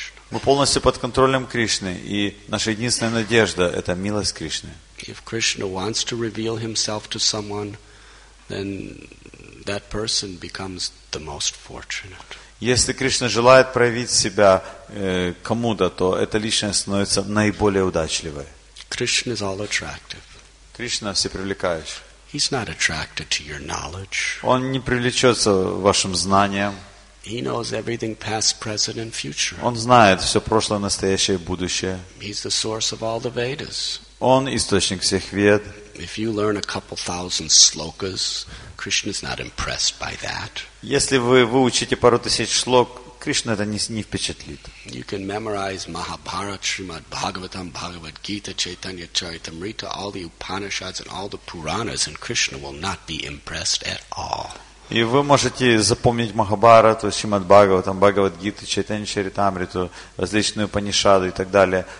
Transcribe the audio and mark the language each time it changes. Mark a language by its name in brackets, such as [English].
[Russian] Мы полностью под контролем Кришны, и наша единственная надежда – это милость Кришны. [English] If Krishna wants to reveal himself to someone, then that person becomes the most fortunate. [Russian] Если Кришна желает проявить себя кому-то, то эта личность становится наиболее удачливой. [English] Krishna is all attractive. [Russian] Кришна всепривлекающий. [English] He's not attracted to your knowledge. [Russian] Он не привлечется вашим знаниям. [English] He knows everything past, present and future. [Russian] Он знает все прошлое, настоящее и будущее. [English] He's the source of all the Vedas. [Russian] Он источник всех Вед. [English] If you learn a couple thousand slokas, Krishna is not impressed by that. [Russian] Если вы выучите пару тысяч шлок, Кришна это не впечатлит. [English] You can memorize Mahabharata, Srimad Bhagavatam, Bhagavad Gita, Chaitanya Charitamrita, all the Upanishads and all the Puranas, and Krishna will not be impressed at all. [Russian] И вы можете запомнить Махабхарату, Шримад Бхагаватам, Бхагавад Гиту, Чайтанья Чаритамриту, различные Упанишады и так далее.